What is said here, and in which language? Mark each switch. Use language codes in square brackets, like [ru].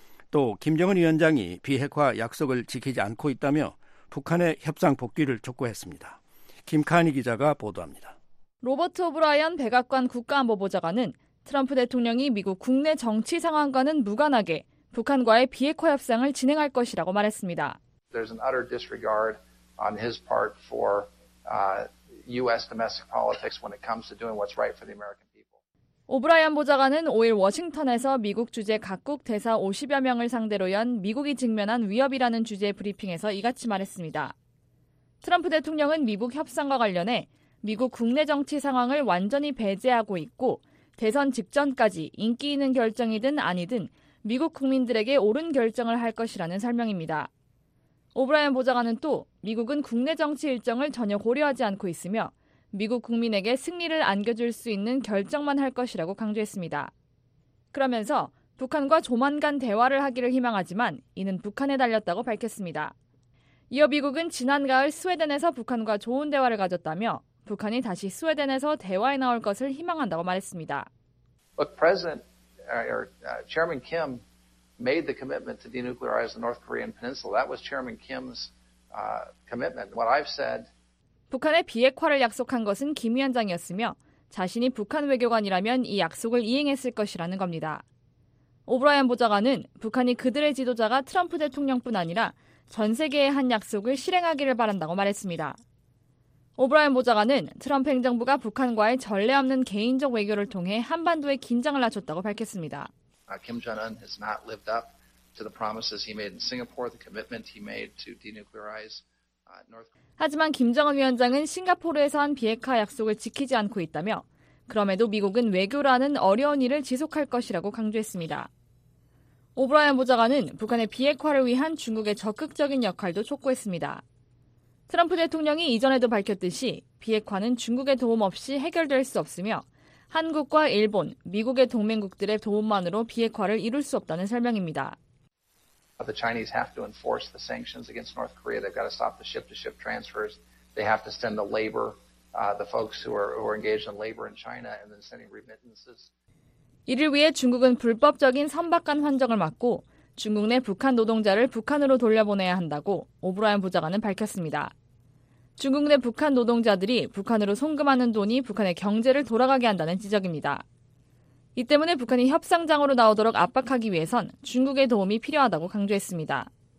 [ko] 또 김정은 위원장이 비핵화 약속을 지키지 않고 있다며 북한의 협상 복귀를 촉구했습니다. 김카니 기자가 보도합니다. 로버트 오브라이언 백악관 국가안보보좌관은 트럼프 대통령이 미국 국내 정치 상황과는 무관하게 북한과의 비핵화 협상을 진행할 것이라고 말했습니다. [en] There's an utter disregard on his part for U.S. domestic politics when it comes to doing what's right for the American people. [ko] 오브라이언 보좌관은 5일 워싱턴에서 미국 주재 각국 대사 50여 명을 상대로 연 미국이 직면한 위협이라는 주제의 브리핑에서 이같이 말했습니다. 트럼프 대통령은 미국 협상과 관련해 미국 국내 정치 상황을 완전히 배제하고 있고 대선 직전까지 인기 있는 결정이든 아니든 미국 국민들에게 옳은 결정을 할 것이라는 설명입니다. 오브라이언 보좌관은 또 미국은 국내 정치 일정을 전혀 고려하지 않고 있으며 미국 국민에게 승리를 안겨줄 수 있는 결정만 할 것이라고 강조했습니다. 그러면서 북한과 조만간 대화를 하기를 희망하지만 이는 북한에 달렸다고 밝혔습니다. 이어 미국은 지난 가을 스웨덴에서 북한과 좋은 대화를 가졌다며 북한이 다시 스웨덴에서 대화에 나올 것을 희망한다고 말했습니다. [en] Look, President or Chairman Kim made the commitment to denuclearize the North Korean peninsula. That was Chairman Kim's commitment. What I've said. [ko] 북한의 비핵화를 약속한 것은 김 위원장이었으며 자신이 북한 외교관이라면 이 약속을 이행했을 것이라는 겁니다. 오브라이언 보좌관은 북한이 그들의 지도자가 트럼프 대통령뿐 아니라 전 세계에 한 약속을 실행하기를 바란다고 말했습니다. 오브라이언 보좌관은 트럼프 행정부가 북한과의 전례 없는 개인적 외교를 통해 한반도에 긴장을 낮췄다고 밝혔습니다. [en] Kim Jong-un has not lived up to the promises he made in Singapore, the commitment he made to denuclearize North Korea. [ko] 하지만 김정은 위원장은 싱가포르에서 한 비핵화 약속을 지키지 않고 있다며 그럼에도 미국은 외교라는 어려운 일을 지속할 것이라고 강조했습니다. 오브라이언 보좌관은 북한의 비핵화를 위한 중국의 적극적인 역할도 촉구했습니다. 트럼프 대통령이 이전에도 밝혔듯이 비핵화는 중국의 도움 없이 해결될 수 없으며 한국과 일본, 미국의 동맹국들의 도움만으로 비핵화를 이룰 수 없다는 설명입니다. [en] The Chinese have to enforce the sanctions against North Korea. They've got to stop the ship-to-ship transfers. They have to send the labor, the folks who are engaged in labor in China and then sending remittances. [ko] 이를 위해 중국은 불법적인 선박 간 환적을 막고 중국 내 북한 노동자를 북한으로 돌려보내야 한다고 오브라이언 보좌관은 밝혔습니다. 중국 내 북한 노동자들이 북한으로 송금하는 돈이 북한의 경제를 돌아가게 한다는 지적입니다. 이 때문에 북한이 협상장으로 나오도록 압박하기 위해선 중국의 도움이 필요하다고 강조했습니다.